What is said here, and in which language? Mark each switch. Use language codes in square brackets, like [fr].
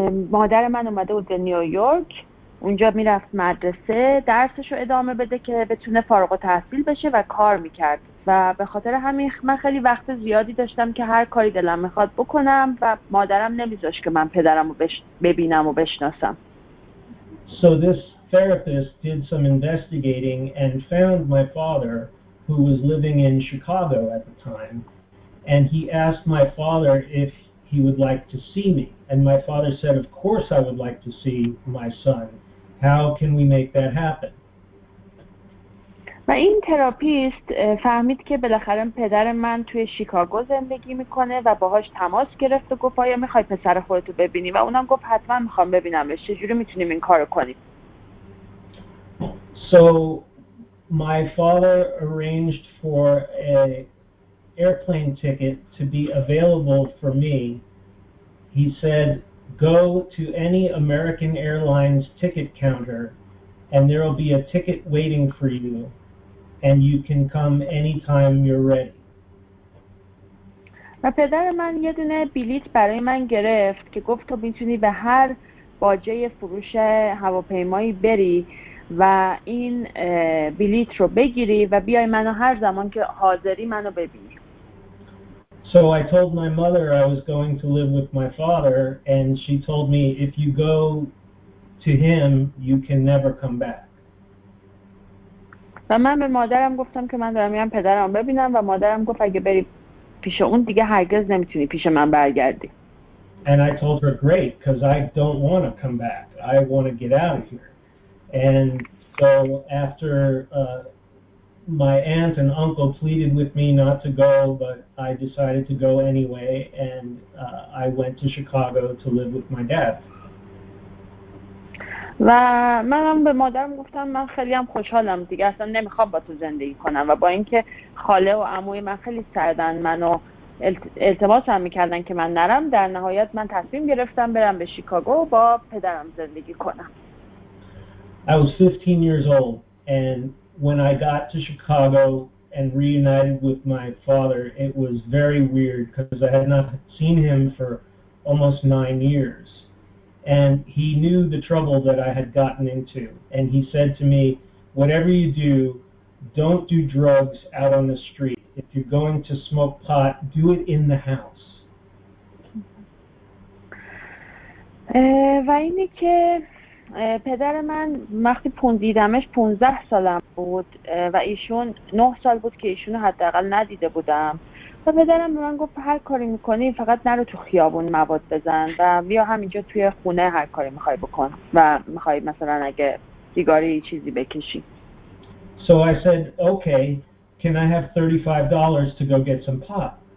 [fa] مادر من اومده بود به نیویورک، اونجا میرفت مدرسه درسشو ادامه بده که بتونه فارغ التحصیل بشه و کار میکرد و به خاطر همین من خیلی وقت زیادی داشتم که هر کاری دلم میخواد بکنم و مادرم نمیذاشت که من پدرم رو ببینم و بشناسم. [en] So this therapist did some investigating and found my father who was living in Chicago at the time, and he asked my father if he would like to see me, and my father said of course I would like to see my son, how can we make that happen. [fa] و این تراپیست فهمید که بالاخره پدر من توی شیکاگو زندگی میکنه و باهاش تماس گرفت و گفت آیا میخوای پسر خودتو ببینی؟ و اونم گفت حتما میخوام ببینمش، چجوری میتونیم این کار کنیم؟ [en] So My father arranged for a airplane ticket to be available for me. He said, go to any American Airlines ticket counter and there will be a ticket waiting for you and you can come anytime you're ready. [fa] و پدر من یه دونه بلیط برای من گرفت که گفت تو میتونی به هر باجه فروش هواپیمایی بری و این بلیط رو بگیری و بیای منو هر زمان که حاضری منو ببینی. [en] So I told my mother I was going to live with my father and she told me if you go to him you can never come back. [fa] و من به مادرم گفتم که من دارم میام پدرم ببینم و مادرم گفت اگه بری پیش اون دیگه هرگز نمیتونی پیش من برگردی. [en] And I told her great because I don't want to come back. I want to get out of here. And so after my aunt and uncle pleaded with me not to go, but I decided to go anyway, and I went to Chicago to live with my dad. [fa] و منم به مادرم گفتم من خیلی هم خوشحالم دیگه اصلا نمیخوام با تو زندگی کنم و با اینکه خاله و عموی من خیلی سردن منو التماس هم میکردن که من نرم در نهایت من تصمیم گرفتم برم به شیکاگو با پدرم زندگی کنم. [en] I was 15 years old and when I got to Chicago and reunited with my father it was very weird because I had not seen him for almost 9 years. And he knew the trouble that I had gotten into. And he said to me, whatever you do, don't do drugs out on the street. If you're going to smoke pot, do it in the house. [fa] و اینی که پدر من وقتی دیدمش 15 سالم بود و ایشون 9 سال بود که ایشونو حداقل ندیده بودم. و پدرم به من گفت هر کاری میکنی فقط نرو تو خیابون مواد بزن و بیا همینجا توی خونه هر کاری میخوای بکن و میخوای مثلا اگه سیگاری چیزی بکشی. [en] So I said, okay, can I have $35 to go get some pot?